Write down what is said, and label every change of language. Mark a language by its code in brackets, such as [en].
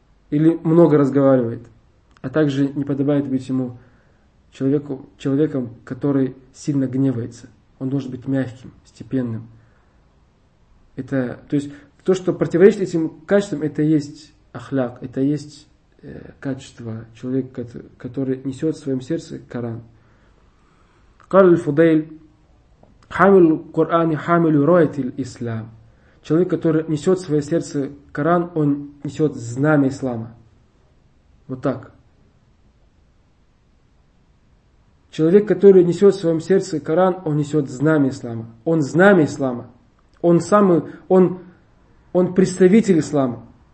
[ru] или много разговаривает, а также не подобает быть ему человеку, человеком, который сильно гневается. Он должен быть мягким, степенным. Это, то есть то, что противоречит этим качествам, это и есть ахляк, это и есть качество человека, который несет в своем сердце Коран. [ar] قال الفضيل حامل القرآن حامل روية الإسلام. [ru] Человек, который несет в свое сердце Коран, он несет знамя ислама. Вот так. Человек, который несет в своем сердце Коран, он несет знамя ислама. Он знамя ислама. Он самый, он представитель ислама.